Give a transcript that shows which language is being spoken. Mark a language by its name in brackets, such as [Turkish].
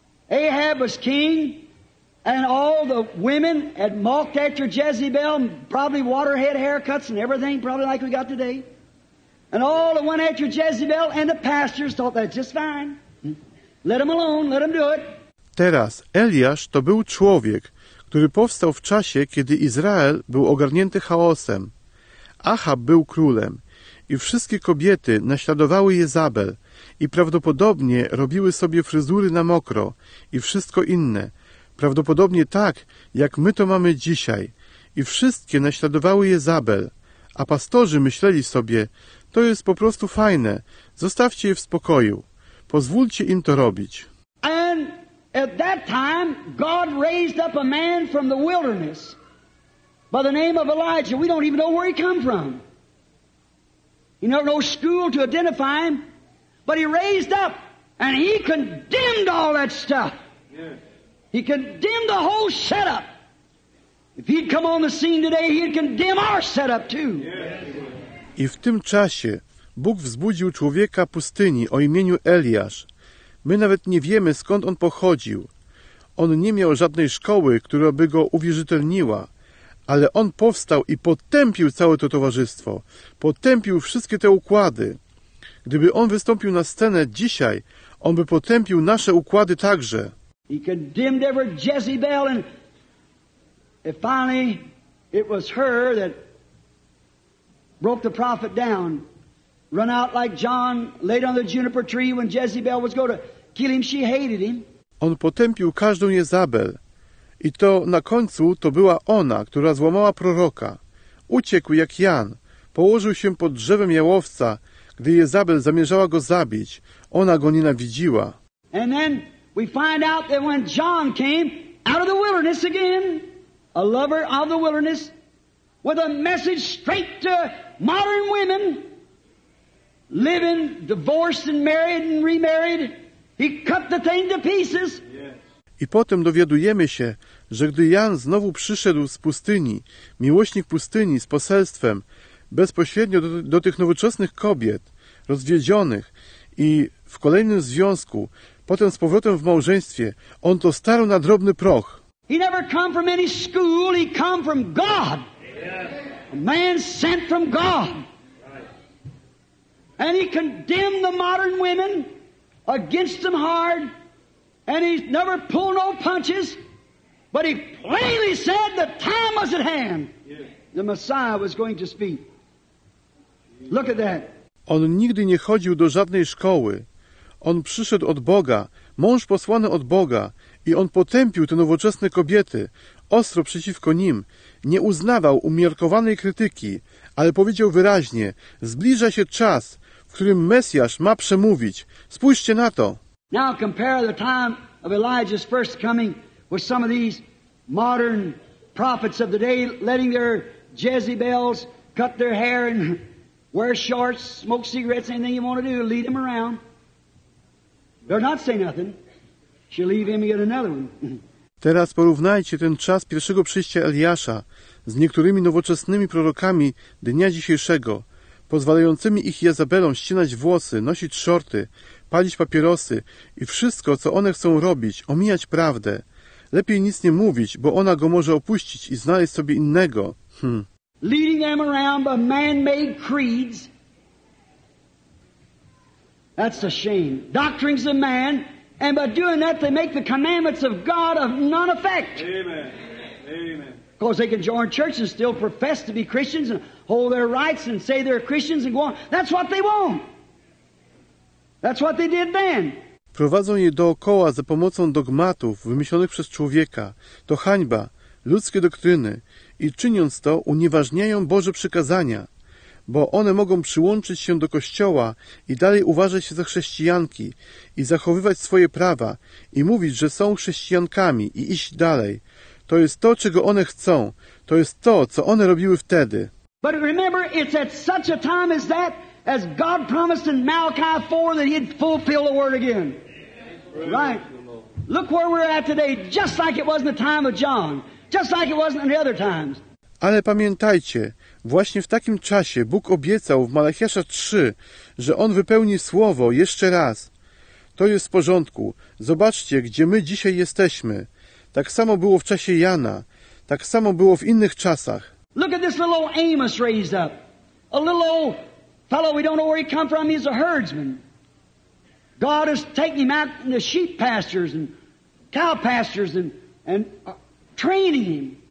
[English] Ahab was king, and all the women had mocked after Jezebel, probably waterhead haircuts and everything, probably like we got today. And all that went after Jezebel and the pastors thought that's just fine. Let them alone, let them do it. [Polish] Teraz Eliasz to był człowiek, który powstał w czasie, kiedy Izrael był ogarnięty chaosem. Achab był królem i wszystkie kobiety naśladowały Jezabel i prawdopodobnie robiły sobie fryzury na mokro i wszystko inne. Prawdopodobnie tak, jak my to mamy dzisiaj. I wszystkie naśladowały Jezabel, a pastorzy myśleli sobie, to jest po prostu fajne, zostawcie je w spokoju, pozwólcie im to robić. [English] And at that time God raised up a man from the wilderness by the name of Elijah. We don't even know where he come from. He never no school to identify him, but he raised up and he condemned all that stuff. He condemned the whole setup. If he'd come on the scene today, he'd condemn our setup too. [Polish] I w tym czasie Bóg wzbudził człowieka pustyni o imieniu Eliasz. My nawet nie wiemy, skąd on pochodził. On nie miał żadnej szkoły, która by go uwierzytelniła, ale on powstał i potępił całe to towarzystwo, potępił wszystkie te układy. Gdyby on wystąpił na scenę dzisiaj, on by potępił nasze układy także. [English] He condemned every Jezebel, and finally it was her that broke the prophet down. Run out like John laid on the juniper tree when Jezebel was going to kill him. She hated him. [Polish] On potępił każdą Jezabel. I to na końcu to była ona, która złamała proroka. Uciekł jak Jan. Położył się pod drzewem jałowca, gdy Jezabel zamierzała go zabić. Ona go nienawidziła. [English] And then we find out that when John came out of the wilderness again, a lover of the wilderness, with a message straight to modern women, living, divorced and married and remarried, he cut the thing to pieces. [Polish] I potem dowiadujemy się, że gdy Jan znowu przyszedł z pustyni, miłośnik pustyni z poselstwem, bezpośrednio do tych nowoczesnych kobiet, rozwiedzionych i w kolejnym związku, potem z powrotem w małżeństwie, on to starł na drobny proch. [English] He never come from any school, he come from God. A man sent from God. And he condemned the modern women against them hard. And he never pulled no punches. But he plainly said the time was at hand. The Messiah was going to speak. Look at that. [Polish] On nigdy nie chodził do żadnej szkoły. On przyszedł od Boga, mąż posłany od Boga. I on potępił te nowoczesne kobiety, ostro przeciwko nim. Nie uznawał umiarkowanej krytyki, ale powiedział wyraźnie, zbliża się czas, w którym Mesjasz ma przemówić. Spójrzcie na to. [English] Now compare the time of Elijah's first coming with some of these modern prophets of the day letting their Jezebels cut their hair and wear shorts, smoke cigarettes, anything you want to do, lead them around. They're not saying nothing. She'll leave him yet another one. [Polish] Teraz porównajcie ten czas pierwszego przyjścia Eliasza z niektórymi nowoczesnymi prorokami dnia dzisiejszego, pozwalającymi ich Jezabelom ścinać włosy, nosić szorty, palić papierosy i wszystko, co one chcą robić, omijać prawdę. Lepiej nic nie mówić, bo ona go może opuścić i znaleźć sobie innego. [English] Leading them around by man-made creeds. That's a shame. Doctrines of man. And by doing that, they make the commandments of God of none effect. Amen. Because they can join churches and still profess to be Christians and hold their rights and say they're Christians and go on. That's what they want. That's what they did then. [Polish] Prowadzą je dookoła za pomocą dogmatów wymyślonych przez człowieka. To hańba, ludzkie doktryny. I czyniąc to, unieważniają Boże przykazania. Bo one mogą przyłączyć się do Kościoła i dalej uważać się za chrześcijanki i zachowywać swoje prawa i mówić, że są chrześcijankami i iść dalej. To jest to, czego one chcą. To jest to, co one robiły wtedy. [English] But remember, it's at such a time as that, as God promised in Malachi 4 that he'd fulfill the word again. Right? Look where we're at today, just like it was in the time of John. Just like it was in the other times. [Polish] Ale pamiętajcie, właśnie w takim czasie Bóg obiecał w Malachiasza 3, że On wypełni słowo jeszcze raz. To jest w porządku. Zobaczcie, gdzie my dzisiaj jesteśmy. Tak samo było w czasie Jana. Tak samo było w innych czasach. [English] Look at this little old Amos raised up. A little old fellow, we don't know where he come from, he's a herdsman. God has taken him out in the sheep pastures and cow pastures and training him.